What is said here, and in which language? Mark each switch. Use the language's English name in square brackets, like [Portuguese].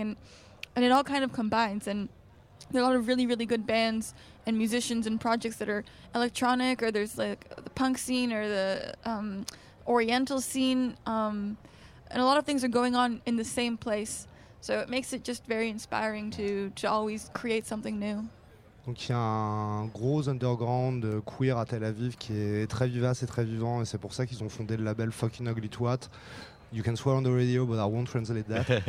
[English] And it all kind of combines. And there are a lot of really, really good bands and musicians and projects that are electronic, or there's like the punk scene or the oriental scene, and a lot of things are going on in the same place, so it makes it just very inspiring to always create something new. [French] Donc il y a un gros underground queer à Tel Aviv qui est très vivace et très vivant, et c'est pour ça qu'ils ont fondé le label Fucking Ugly Twat. [English] You can swear on the radio, but I won't translate that.